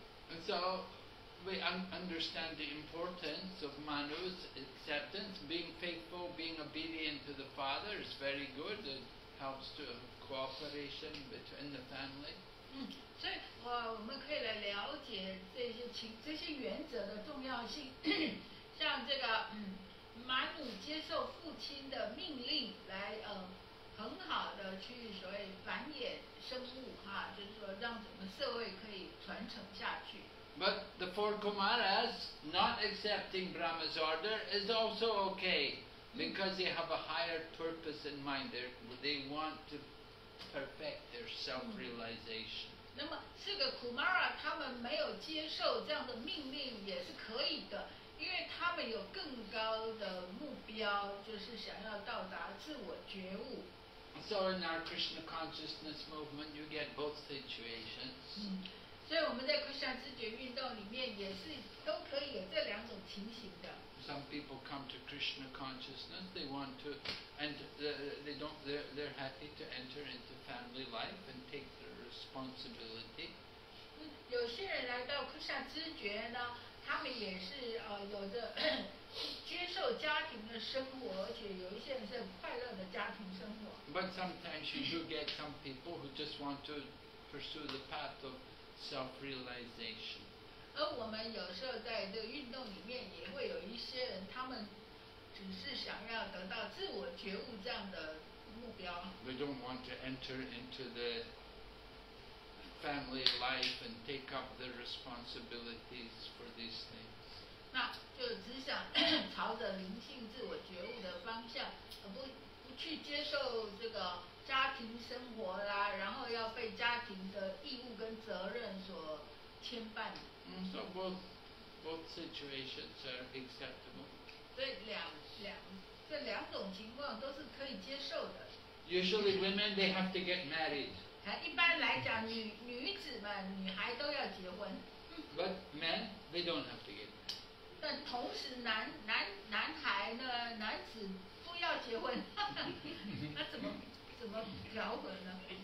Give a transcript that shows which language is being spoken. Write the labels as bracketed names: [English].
[English] And so we understand the importance of Manu's acceptance, being faithful, being obedient to the father is very good. It helps to cooperation between the family. [Chinese] 所以我们可以来了解这些原则的重要性。像这个Manu接受父亲的命令来很好的去所谓繁衍生物哈，就是说让整个社会可以传承下去。 [English] But the four Kumaras not accepting Brahma's order is also okay because they have a higher purpose in mind. They want to perfect their self-realization. [Chinese] 那么四个 Kumara 他们没有接受这样的命令也是可以的，因为他们有更高的目标，就是想要到达自我觉悟。 [English] So in our Krishna consciousness movement, you get both situations. [Chinese] 所以我们在 Krishna 知觉运动里面也是都可以有这两种情形的。 [English] Some people come to Krishna consciousness. They want to, and they don't. They're happy to enter into family life and take their responsibility. [Chinese] 有些人来到 Krishna 知觉呢，他们也是有着接受家庭的生活，而且有一些人是快乐的家庭生活。 [English] But sometimes you do get some people who just want to pursue the path of self-realization. [Chinese] 而我们有时候在这个运动里面也会有一些人，他们只是想要得到自我觉悟这样的目标。 [English] They don't want to enter into the family life and take up the responsibilities for these things. [Chinese] 那就只想朝着灵性自我觉悟的方向，不去接受这个家庭生活啦，然后要被家庭的义务跟责任所牵绊。 [English] So both situations are acceptable. [Chinese] 所以这两种情况都是可以接受的。 [English] Usually women, they have to get married. [Chinese] 一般来讲，女子们，女孩都要结婚。 [English] But men, they don't have to get married. [Chinese] 但同时男孩呢，男子不要结婚，那怎么调和呢？